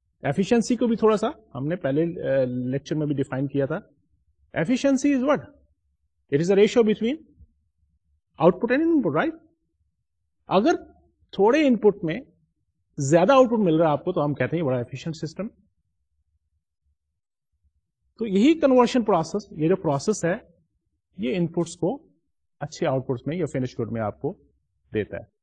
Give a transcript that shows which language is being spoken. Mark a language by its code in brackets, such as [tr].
[ur] Efficiency کو بھی تھوڑا سا ہم نے پہلے لیکچر میں بھی ڈیفائن کیا تھا. [en] Efficiency is what, it is a ratio between output and input, right. [ur] اگر تھوڑے ان پٹ میں زیادہ آؤٹ پٹ مل رہا ہے آپ کو تو ہم کہتے ہیں بڑا ایفیشینٹ سسٹم. تو یہی کنورژن پروسیس, یہ جو پروسیس ہے, یہ ان پٹس کو اچھے آؤٹ پٹس میں یا فنش گڈ میں آپ کو دیتا ہے.